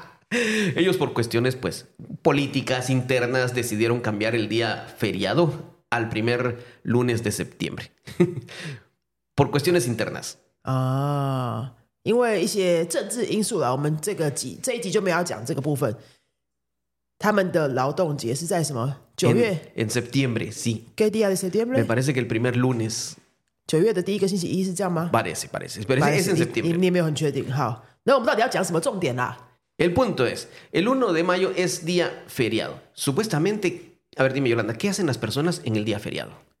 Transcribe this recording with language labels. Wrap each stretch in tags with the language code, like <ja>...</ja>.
<es>Ellos por cuestiones pues políticas internas decidieron cambiar el día feriado al primer lunes de septiembre. Por cuestiones internas. Ah.</es> <zh>因為一些政治因素啦,我們這一集就沒有要講這個部分。他们的劳动节是在什么? 9月?</zh> <es>En septiembre, sí. ¿Qué día de septiembre? Me parece que el primer lunes.</es> <zh>¿9月的第一个星期一是这样吗?</zh> <es>Parece. Es en septiembre.</es> <zh>你没有很确定。好, 那我们到底要讲什么重点啦?</zh> <es>El punto es, el 1 de mayo es día feriado. Supuestamente, a ver, dime Yolanda, ¿qué hacen las personas en el día feriado?</es>